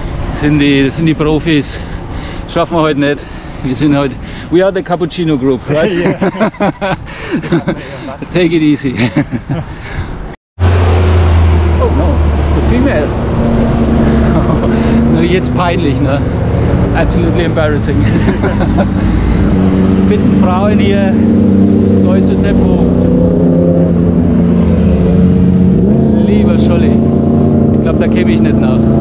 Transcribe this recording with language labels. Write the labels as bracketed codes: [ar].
[de] Das sind die Profis. Schaffen wir heute nicht. Wir sind heute. [en] We are the Cappuccino Group, right? Take it easy. Oh no, it's a female. [de] So jetzt peinlich, ne? [en] Absolutely embarrassing. [de] Bitte Frauen hier, neues Tempo. Lieber Scholli, ich glaube, da käme ich nicht nach.